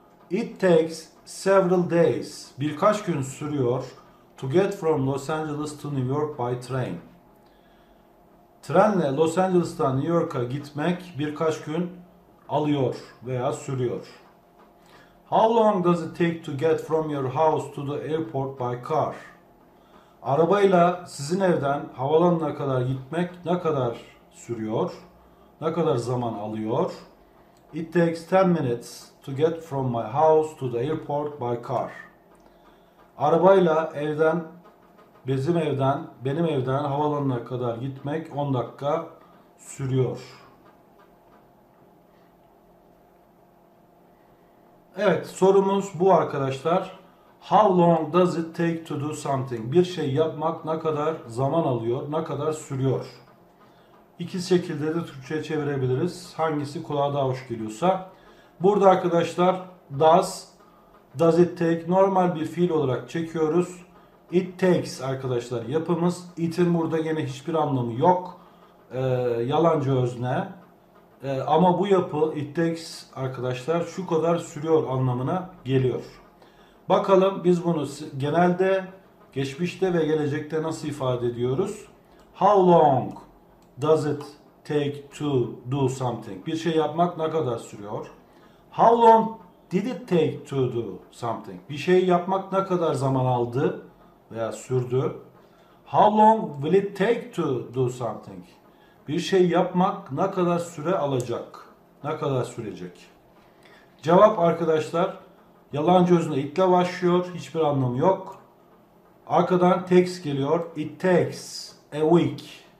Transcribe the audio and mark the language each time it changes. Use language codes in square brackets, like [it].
[en] It takes several days. [tr] Birkaç gün sürüyor [en] to get from Los Angeles to New York by train. [tr] Trenle Los Angeles'tan New York'a gitmek birkaç gün alıyor veya sürüyor. [en] How long does it take to get from your house to the airport by car? [tr] Arabayla sizin evden havalanına kadar gitmek ne kadar sürüyor? Ne kadar zaman alıyor? [en] It takes 10 minutes to get from my house to the airport by car. [tr] Arabayla evden, bizim evden, benim evden havalanına kadar gitmek 10 dakika sürüyor. Evet, sorumuz bu arkadaşlar. [en] How long does it take to do something? [tr] Bir şey yapmak ne kadar zaman alıyor, ne kadar sürüyor? İki şekilde de Türkçe'ye çevirebiliriz. Hangisi kulağa daha hoş geliyorsa. Burada arkadaşlar [en] does it take [tr] normal bir fiil olarak çekiyoruz. [en] It takes [tr] arkadaşlar yapımız. It'in burada yine hiçbir anlamı yok. Yalancı özne. Ama bu yapı [en] it takes [tr] arkadaşlar şu kadar sürüyor anlamına geliyor. Bakalım biz bunu genelde, geçmişte ve gelecekte nasıl ifade ediyoruz? [en] How long does it take to do something? [tr] Bir şey yapmak ne kadar sürüyor? [en] How long did it take to do something? [tr] Bir şey yapmak ne kadar zaman aldı veya sürdü? [en] How long will it take to do something? [tr] Bir şey yapmak ne kadar süre alacak? Ne kadar sürecek? Cevap arkadaşlar yalancı özne it'le başlıyor. Hiçbir anlamı yok. Arkadan [en] takes [tr] geliyor. [en] It takes a week.